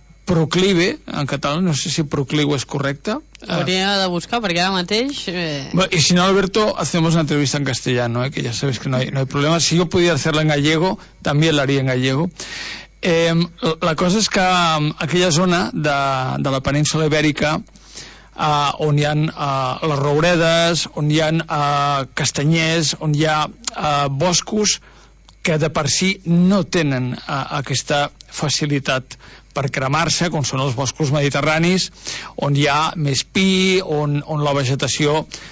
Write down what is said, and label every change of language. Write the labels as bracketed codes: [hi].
[ca] proclive, en català, no sé si proclive és correcte. Hauria de buscar, perquè ara mateix... [es] I si no, Alberto, hacemos una entrevista en castellano, [ca] que ja sabes [es] que no hay problema. [ca] Si jo podia [es] hacerla en gallego, [ca] també l'haria en gallego. La cosa és que aquella zona de la península Ibèrica, on hi ha les rouredes, on hi ha castanyers, on hi ha boscos, que de per si no tenen aquesta facilitat per cremar-se, com són els boscos mediterranis, on hi ha més pi, on la vegetació